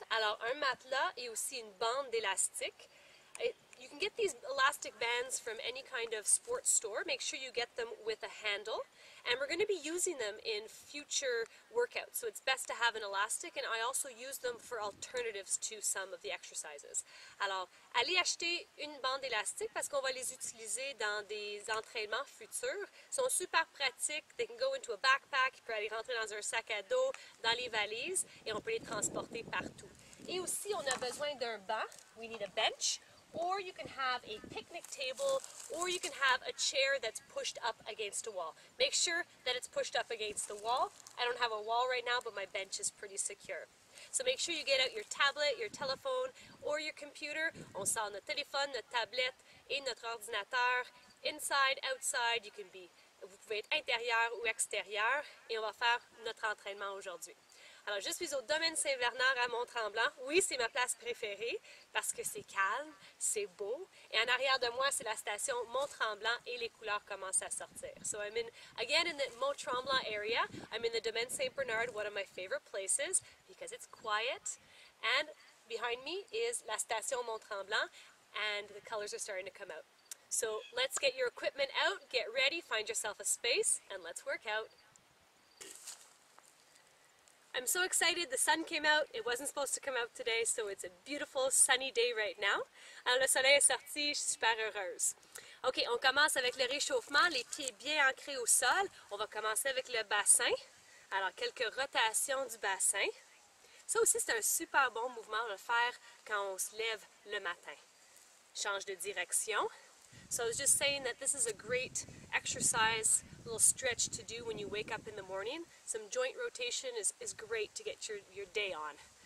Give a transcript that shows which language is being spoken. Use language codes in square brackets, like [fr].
[fr] Alors, un matelas et aussi une bande d'élastique. [en] You can get these elastic bands from any kind of sports store. Make sure you get them with a handle. And we're going to be using them in future workouts. So it's best to have an elastic, and I also use them for alternatives to some of the exercises. [fr] Alors, allez acheter une bande élastique parce qu'on va les utiliser dans des entraînements futurs. Ils sont super pratiques. [en] They can go into a backpack, [fr] ils peuvent aller rentrer dans un sac à dos, dans les valises, et on peut les transporter partout. Et aussi, on a besoin d'un banc. [en] We need a bench. Or you can have a picnic table, or you can have a chair that's pushed up against a wall. Make sure that it's pushed up against the wall. I don't have a wall right now, but my bench is pretty secure. So make sure you get out your tablet, your telephone, or your computer. [fr] On sort notre téléphone, notre tablette et notre ordinateur. [en] Inside, outside, you can be. [fr] Vous pouvez être intérieur ou extérieur. Et on va faire notre entraînement aujourd'hui. Alors, je suis au Domaine Saint-Bernard à Mont-Tremblant. Oui, c'est ma place préférée parce que c'est calme, c'est beau. Et en arrière de moi, c'est la station Mont-Tremblant et les couleurs commencent à sortir. [en] So, I'm in, again, in the Mont-Tremblant area. I'm in the Domaine Saint-Bernard, one of my favorite places because it's quiet. And behind me is la station Mont-Tremblant and the colors are starting to come out. So, let's get your equipment out, get ready, find yourself a space, and let's work out. I'm so excited, the sun came out, it wasn't supposed to come out today, so it's a beautiful sunny day right now. [fr] Alors le soleil est sorti, je suis super heureuse. Ok, on commence avec le réchauffement, les pieds bien ancrés au sol. On va commencer avec le bassin. Alors quelques rotations du bassin. Ça aussi c'est un super bon mouvement à faire quand on se lève le matin. Change de direction. [en] So I was just saying that this is a great exercise, a little stretch to do when you wake up in the morning. Some joint rotation is great to get your day on.